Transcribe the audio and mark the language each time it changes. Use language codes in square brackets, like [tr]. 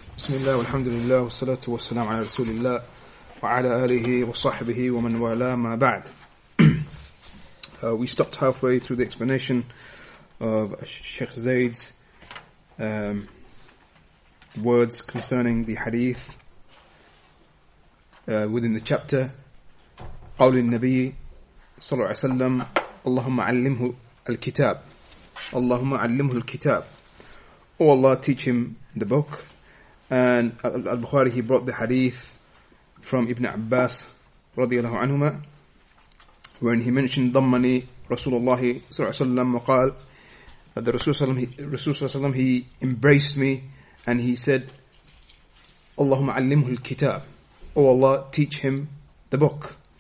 [ar] بسم الله والحمد لله والصلاة والسلام على رسول الله وعلى آله وصحبه ومن والاه ما بعد. [en] We stopped halfway through the explanation of Sheikh Zayd's words concerning the hadith within the chapter. [ar] قول النبي صلى الله عليه وسلم اللهم علمه الكتاب اللهم علمه الكتاب. [en] Oh Allah, teach him the book. And Al-Bukhari, he brought the hadith from Ibn Abbas radiallahu anhuma, when he mentioned Dhammani Rasulullah sallallahu alayhi wa sallam wa qal, that the Rasulullah sallallahu alayhi wa sallam, he embraced me and he said, Allahumma allimhu al-kitab, oh Allah, teach him the book.